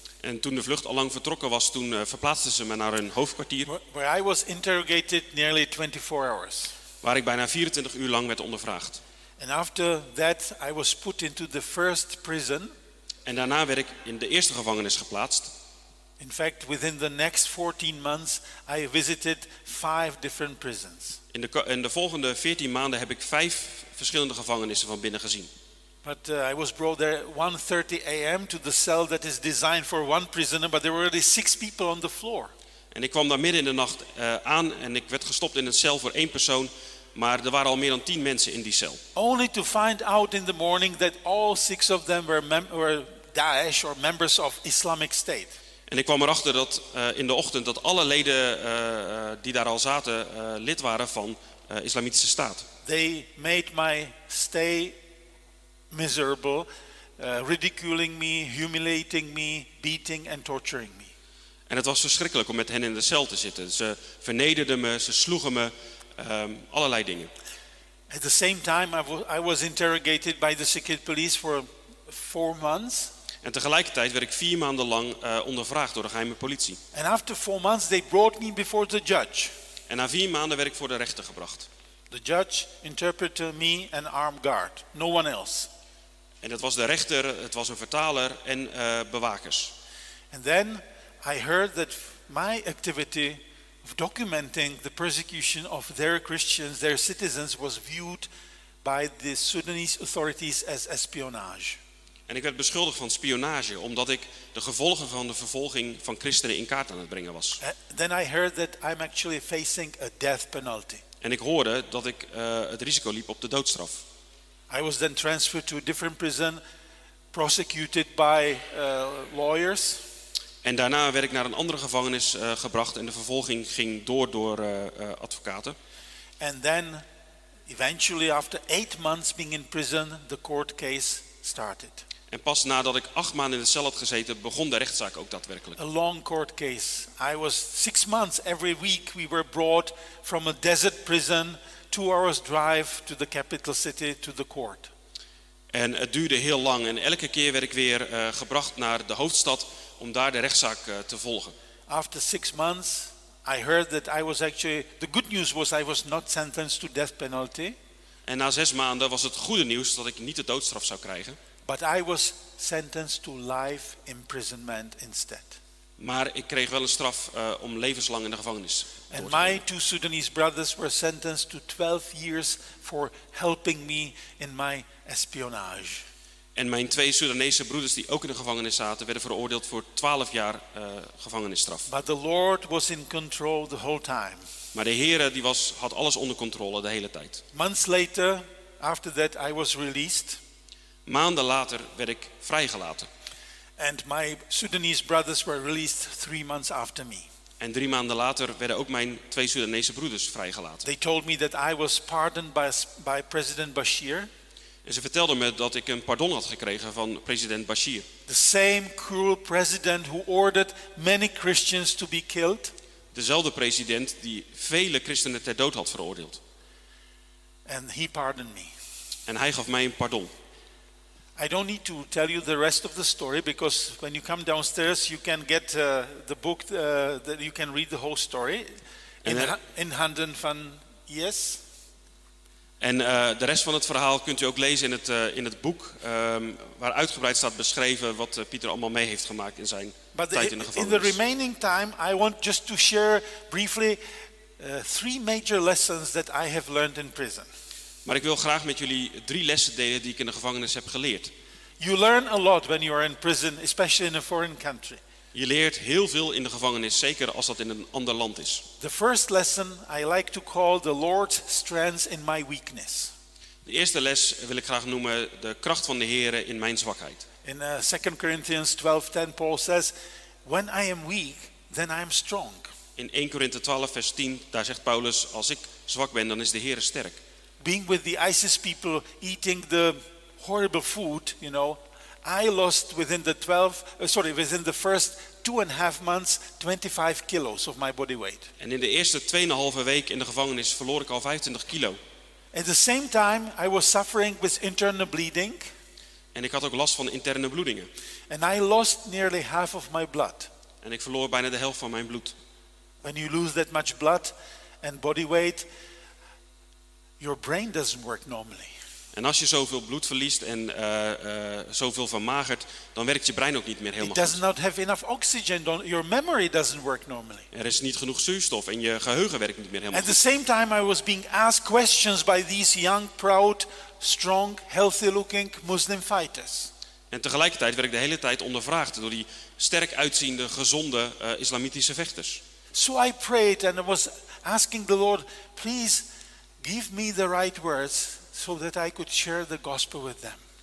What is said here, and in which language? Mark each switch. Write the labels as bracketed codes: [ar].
[nl] En toen de vlucht al lang vertrokken was, toen verplaatsten ze me naar hun hoofdkwartier. [en] Where I was interrogated nearly 24 hours. [nl] Waar ik bijna 24 uur lang werd ondervraagd. [en] And after that I was put into the first prison. [nl] En daarna werd ik in de eerste gevangenis geplaatst. [en] In fact, within the next 14 months I visited 5 different prisons. [nl] In de volgende 14 maanden heb ik 5 verschillende gevangenissen van binnen gezien. [en] But I was brought there 1:30 a.m. to the cell that is designed for one prisoner, but there were already 6 people on the floor. [nl] En ik kwam daar midden in de nacht aan en ik werd gestopt in een cel voor 1 persoon. maar er waren al meer dan 10 mensen in die cel. [en] Only to find out in the morning that all 6 of them were Daesh or members of Islamic State. [nl] En ik kwam erachter dat in de ochtend dat alle leden die daar al zaten lid waren van Islamitische Staat. [en] They made my stay miserable, ridiculing me, humiliating me, beating and torturing me. [nl] En het was verschrikkelijk om met hen in de cel te zitten. Ze vernederden me, ze sloegen me, allerlei dingen. [en] At the same time I was interrogated by the secret police for 4 months. [nl] En tegelijkertijd werd ik 4 maanden lang ondervraagd door de geheime politie. [en] And after 4 months they brought me before the judge. [nl] En na 4 maanden werd ik voor de rechter gebracht. [en] The judge interpreted me an armed guard, no one else. [nl] En dat was de rechter, het was een vertaler en bewakers. [en] And then I heard that my activity of documenting the persecution of their Christians, their citizens, was viewed by the Sudanese authorities as espionage. [nl] En ik werd beschuldigd van spionage, omdat ik de gevolgen van de vervolging van christenen in kaart aan het brengen was. [en] Then I heard that I'm actually facing a death penalty. [nl] En ik hoorde dat ik het risico liep op de doodstraf. [en] I was then transferred to a different prison, prosecuted by lawyers. [nl] En daarna werd ik naar een andere gevangenis gebracht en de vervolging ging door advocaten. [en] And then, eventually, after 8 months being in prison, the court case started. [nl] En pas nadat ik 8 maanden in de cel had gezeten, begon de rechtszaak ook daadwerkelijk. [en] A long court case. I was 6 months every week we were brought from a desert prison, 2 hours drive to the capital city to the court. [nl] En het duurde heel lang en elke keer werd ik weer gebracht naar de hoofdstad om daar de rechtszaak te volgen. [en] After 6 months, I heard that I was actually the good news was I was not sentenced to death penalty. [nl] En na 6 maanden was het goede nieuws dat ik niet de doodstraf zou krijgen. [en] But I was sentenced to life imprisonment instead. [nl] Maar ik kreeg wel een straf om levenslang in de gevangenis. [en] And my 2 Sudanese brothers were sentenced to 12 years for helping me in my espionage. [nl] En mijn 2 Soedanese broeders die ook in de gevangenis zaten werden veroordeeld voor 12 jaar gevangenisstraf. [en] But the Lord was in control the whole time. [nl] Maar de Heere die had alles onder controle de hele tijd. [en] Months later, after that I was released. [nl] Maanden later werd ik vrijgelaten. [en] And my Sudanese brothers were released 3 months after me. [nl] En 3 maanden later werden ook mijn 2 Soedanese broeders vrijgelaten. [en] They told me that I was pardoned by President Bashir. [nl] En ze vertelden me dat ik een pardon had gekregen van president Bashir. [en] The same cruel president who ordered many Christians to be killed. [nl] Dezelfde president die vele christenen ter dood had veroordeeld. [en] And he pardoned me. [nl] En hij gaf mij een pardon. [en] I don't need to tell you the rest of the story because when you come downstairs you can get the book that you can read the whole story [nl] in handen van [en] yes. [nl] En de rest van het verhaal kunt u ook lezen in het boek waar uitgebreid staat beschreven wat Pieter allemaal mee heeft gemaakt in zijn tijd in de gevangenis. [en] In the remaining time I want just to share briefly 3 major lessons that I have learned in prison. [nl] Maar ik wil graag met jullie 3 lessen delen die ik in de gevangenis heb geleerd. [en] You learn a lot when you are in prison, especially in a foreign country. [nl] Je leert heel veel in de gevangenis, zeker als dat in een ander land is. [en] The first lesson I like to call the Lord's strength in my weakness. [nl] De eerste les wil ik graag noemen de kracht van de Heere in mijn zwakheid. [en] In 2 Corinthians 12:10 Paul says, when I am weak, then I am strong. [nl] In 1 Corinthians 12 vers 10 daar zegt Paulus, als ik zwak ben, dan is de Heere sterk. [en] Being with the ISIS people eating the horrible food, you know, I lost within the first 2.5 months 25 kilos of my body weight. [nl] En in de eerste 2,5 week in de gevangenis verloor ik al 25 kilo. [en] At the same time I was suffering with internal bleeding. [nl] En ik had ook last van interne bloedingen. [en] And I lost nearly half of my blood. [nl] En ik verloor bijna de helft van mijn bloed. [en] When you lose that much blood and body weight, your brain doesn't work normally. [nl] En als je zoveel bloed verliest en zoveel vermagert, dan werkt je brein ook niet meer helemaal. [en] It does not have enough oxygen. Your memory doesn't work normally. [nl] Er is niet genoeg zuurstof en je geheugen werkt niet meer helemaal. [en] At the same time I was being asked questions by these young, proud, strong, healthy-looking Muslim fighters. [nl] En tegelijkertijd werd ik de hele tijd ondervraagd door die sterk uitziende, gezonde islamitische vechters. [en] So I prayed and I was asking the Lord, please Give me the right words so that I could share the gospel with them.